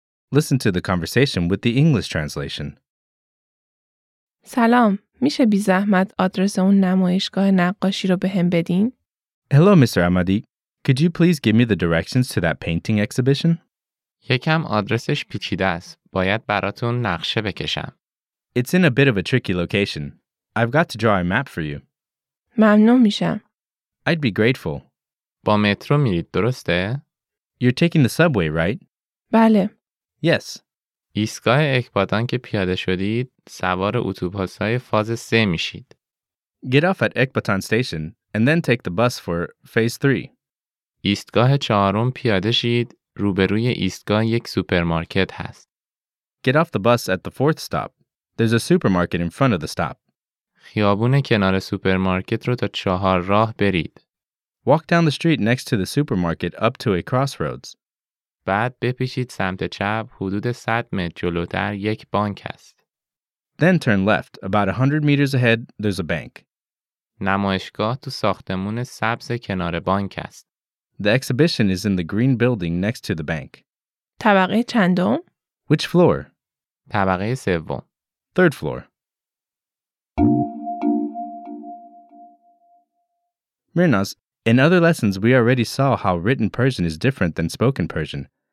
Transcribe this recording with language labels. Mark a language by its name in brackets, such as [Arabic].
[English] Listen to the conversation with the English translation. [Persian] سلام، میشه بی زحمت آدرس اون نمایشگاه نقاشی رو بهم بدین؟ [English] Hello Mr. Ahmadi, could you please give me the directions to that painting exhibition? [Persian] یکم آدرسش پیچیده است. باید براتون نقشه بکشم. [English] It's in a bit of a tricky location. I've got to draw a map for you. [Persian] ممنون میشم. [English] I'd be grateful. [Persian] با مترو میرید، درسته؟ [English] You're taking the subway, right? [Persian] بله. [English] Yes. [Persian] ایستگاه اکبادان که پیاده شدید، سوار اتوبوس‌های فاز 3 میشید. [English] Get off at Ekbatan station and then take the bus for phase 3. [Persian] ایستگاه 4 پیاده شید، روبروی ایستگاه یک سوپرمارکت هست. [English] Get off the bus at the 4th stop. There's a supermarket in front of the stop. [Persian] خیابون کنار سوپرمارکت رو تا 4 راه برید. [English] Walk down the street next to the supermarket up to a crossroads. [Persian] بعد بپیشید سمت چپ حدود 100 متر جلوتر یک بانک است. [English] Then turn left. About 100 meters ahead, there's a bank. [Persian] نمایشگاه تو ساختمون سبز کنار بانک است. [English] The exhibition is in the green building next to the bank. [Persian] طبقه چندم؟ [English] Which floor? [Persian] طبقه سوم. [English] Third floor. Mehrnaz, in other lessons, we already saw how written Persian is different than spoken Persian.